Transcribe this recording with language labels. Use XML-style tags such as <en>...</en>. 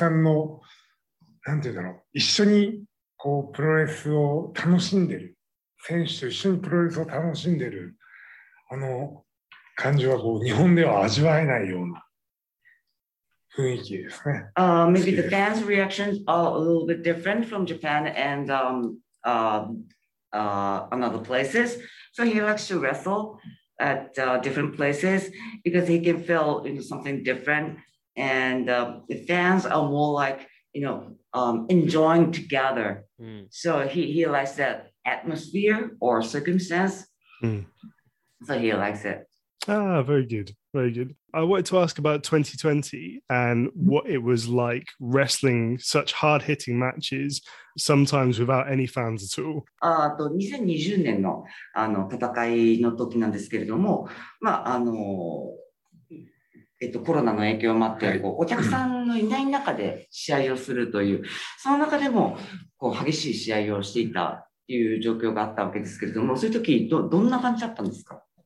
<ja>2005年とか2006年イギリスで試合されてるのを見たんですけれども、海外で試合されるのってどうですか？好きですか？そうですね。自分は好きですね。なんか海外ならではの日本では違う海外ならではの雰囲気、お客さんのなんていうんだろう、一緒に</ja> <en>Maybe the fans' reactions are a little bit different from Japan and on other places. So he likes to wrestle at different places because he can feel, you know, something different, and the fans are more like, you know, enjoying together. So he likes that atmosphere or circumstance. So he likes it. Ah, very good. Very good. I wanted to ask about 2020 and what it was like wrestling such hard-hitting matches, sometimes without any fans at all.</en> <ja>2020年 の, あの戦いの時なんですけれども、まあ、あの、コロナの影響もあって、こうお客さんのいない中で試合をするという、その中でもこう激しい試合をしていたという状況があったわけですけれども、そういう時どんな感じだったんですか？</ja>